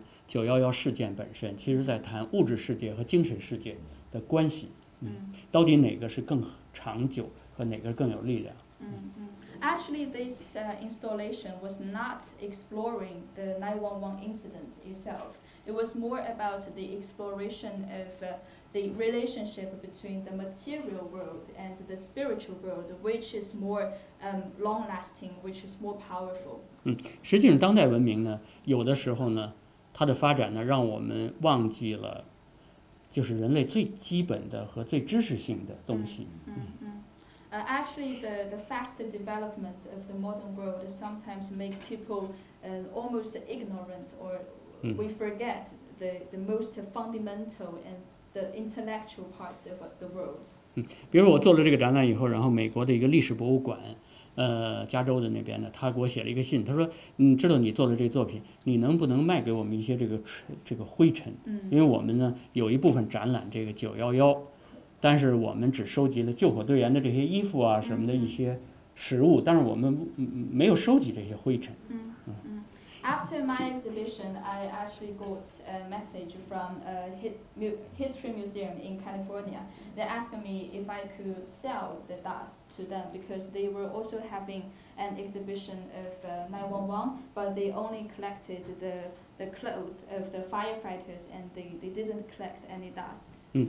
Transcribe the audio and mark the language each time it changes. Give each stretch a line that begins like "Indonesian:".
Chinese: 这个作品其实不是在谈911事件本身， 其实在谈物质世界和精神世界。的关系, 到底哪个是更长久和哪个更有力量。
English: Actually, this installation was not exploring the 911 incident itself. It was more about the exploration of the relationship between the material world and the spiritual world, which is more long-lasting, which is more powerful.
Chinese: 实际上当代文明呢, 有的时候呢, 它的发展呢, 让我们忘记了 就是人类最基本的和最知识性的东西。
English: Actually, the fast development of the modern world sometimes make people almost ignorant, or we forget the most fundamental and the intellectual parts of the world.
Chinese: 比如我做了这个展览以后， 然后美国的一个历史博物馆， 加州的那边的， 他给我写了一个信， 他说， 知道你做了这个作品， 你能不能卖给我们一些这个灰尘， 因为我们呢， 有一部分展览这个911， 但是我们只收集了救火队员的这些衣服啊， 什么的一些食物， 但是我们没有收集这些灰尘。
English: After my exhibition, I actually got a message from a history museum in California. They asked me if I could sell the dust to them because they were also having an exhibition of 911, but they only collected the clothes of the firefighters and they didn't collect any dust.